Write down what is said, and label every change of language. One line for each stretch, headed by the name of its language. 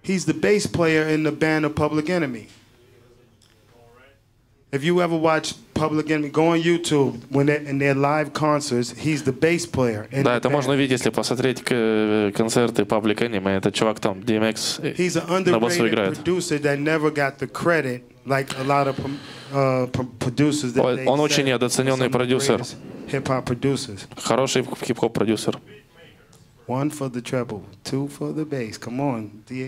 English: He's the bass player in the band of Public Enemy. All right. If you ever watch Public Enemy, go on YouTube when they're in their live concerts, he's the bass player.
Russian: Да, это можно видеть, если посмотреть концерты Public Enemy. Это чувак там, DMX, на басу играет.
English: He's an underrated producer that never got the credit like a lot of producers that they said.
Russian: Он очень недооцененный продюсер.
English: Hip-hop producers.
Russian: Хороший хип-хоп продюсер.
English: One for the treble, two for the bass. Come on.